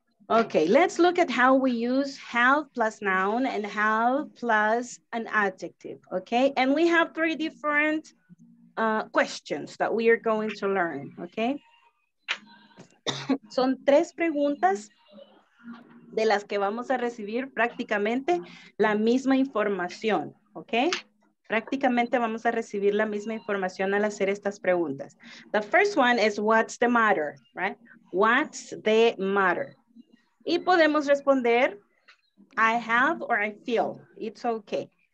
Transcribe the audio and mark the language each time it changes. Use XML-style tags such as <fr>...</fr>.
<en>Okay, let's look at how we use have plus noun and have plus an adjective, okay? And we have three different questions that we are going to learn, okay?</en> <es>Son tres preguntas de las que vamos a recibir prácticamente la misma información, okay? Prácticamente vamos a recibir la misma información al hacer estas preguntas.</es> <en>The first one is what's the matter, right? What's the matter?</en> <es>Y podemos responder,</es> <en>I have or I feel, it's okay.</en>